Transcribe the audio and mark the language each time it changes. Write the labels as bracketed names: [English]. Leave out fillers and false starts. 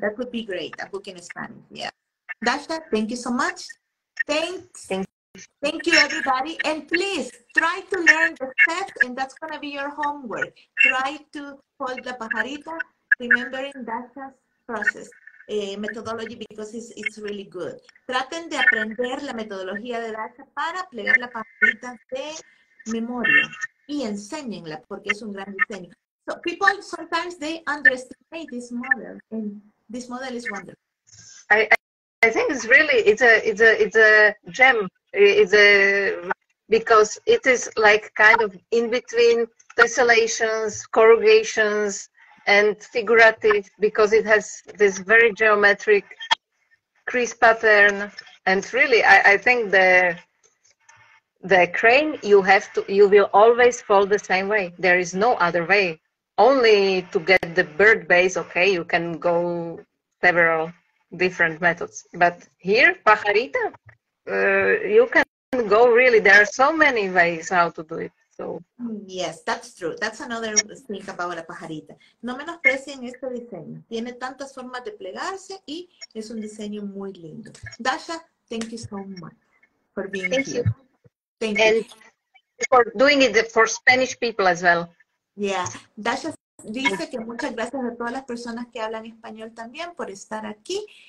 [English] That would be great, a book in Spanish, yeah. Dasha, thank you so much. Thanks. Thank you, everybody. And please, try to learn the steps, and that's going to be your homework. Try to hold the pajarita, remembering Dasha's process, methodology, because it's really good. [Spanish] Traten de aprender la metodología de Dasha para plegar la pajarita de memoria. Y enséñenla, porque es un gran diseño. [English] So people, sometimes they underestimate this model, and this model is wonderful. I think it's really it's a gem. It's a, because it is like kind of in between tessellations, corrugations, and figurative, because it has this very geometric crease pattern. And really, I think the crane, you will always fold the same way. There is no other way. Only to get the bird base, okay, you can go several different methods, but here pajarita, you can go really, there are so many ways how to do it. So yes, that's true. That's another thing about la pajarita. [Spanish] No menosprecien este diseño, tiene tantas formas de plegarse y es un diseño muy lindo. [English] Dasha, thank you so much for being thank you for doing it for Spanish people as well. [Spanish] Yeah, Dasha dice que muchas gracias a todas las personas que hablan español también por estar aquí.